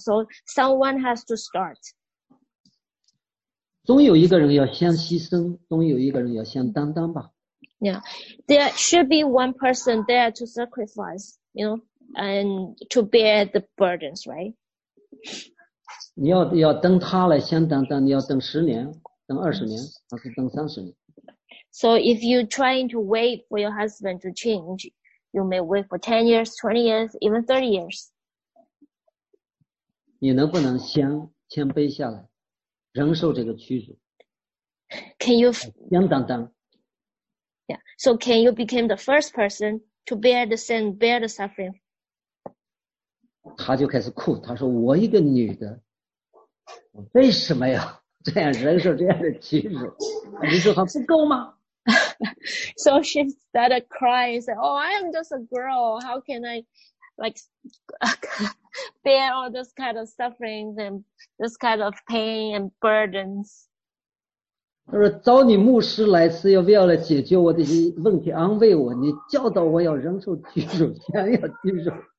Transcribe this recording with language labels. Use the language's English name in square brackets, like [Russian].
[English] So someone has to start. [Chinese] 总有一个人要先牺牲，总有一个人要先担当吧。 [English] Yeah, there should be one person there to sacrifice, you know, and to bear the burdens, right? [Chinese] 你要等他来先担当，你要等十年，等二十年，还是等三十年？ [English] So if you're trying to wait for your husband to change, you may wait for 10 years, 20 years, even 30 years. [Chinese] 你能不能先谦卑下来，忍受这个屈辱？ [English] Can you... [Chinese] 先担当。 [English] Yeah. So can you become the first person to bear the sin, bear the suffering? [Chinese] 他就开始哭，他说我一个女的，我为什么要这样忍受这样的屈辱？你说还不够吗？ [English] So she started crying, said, oh, I am just a girl. How can I, like, bear all this kind of suffering and this kind of pain and burdens? [Chinese] 他说找你牧师来是要为了解决我的问题，安慰我，你教导我要忍受屈辱，先要屈辱。